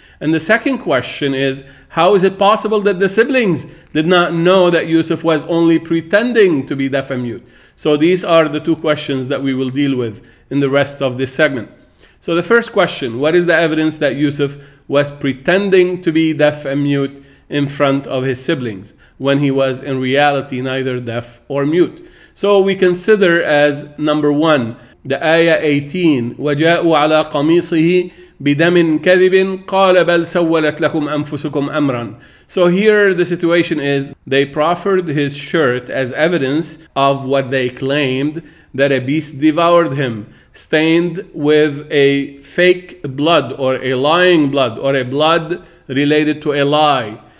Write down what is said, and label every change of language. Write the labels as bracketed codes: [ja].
[en] And the second question is, how is it possible that the siblings did not know that Yusuf was only pretending to be deaf and mute? So these are the 2 questions that we will deal with in the rest of this segment. So the first question, what is the evidence that Yusuf was pretending to be deaf and mute in front of his siblings when he was in reality neither deaf or mute? So we consider as number 1, the ayah 18, [ar] وَجَاءُوا عَلَىٰ قَمِيصِهِ بِدَمٍ كَذِبٍ قَالَ بَلْ سَوَّلَتْ لَكُمْ أَنفُسُكُمْ أَمْرًا. [en] So here the situation is, they proffered his shirt as evidence of what they claimed, that a beast devoured him, stained with a fake blood or a lying blood or a blood related to a lie.